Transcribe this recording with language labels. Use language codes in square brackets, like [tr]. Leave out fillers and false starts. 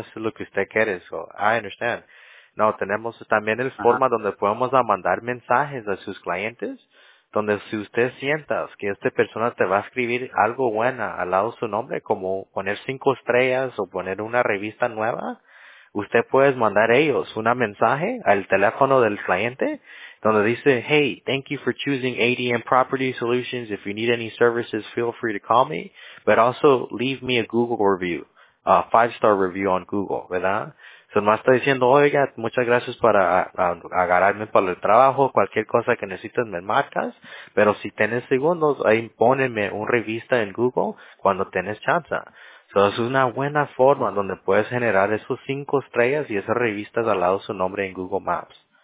[es] Eso es lo que usted quiere, [en] so I understand. [es] No, tenemos también el forma donde podemos mandar mensajes a sus clientes, donde si usted sientas que esta persona te va a escribir algo buena al lado de su nombre, como poner 5 estrellas o poner una revista nueva, usted puede mandar ellos un mensaje al teléfono del cliente donde dice, [en] hey, thank you for choosing ADM Property Solutions. If you need any services, feel free to call me. But also leave me a Google review, a 5-star review on Google, ¿verdad? [es] Se me está diciendo, oiga, muchas gracias para agarrarme para el trabajo. Cualquier cosa que necesites me marcas. Pero si tienes segundos, ahí póneme una revista en Google cuando tienes chance. So, es una buena forma donde puedes generar esos 5 estrellas y esas revistas al lado de su nombre en Google Maps.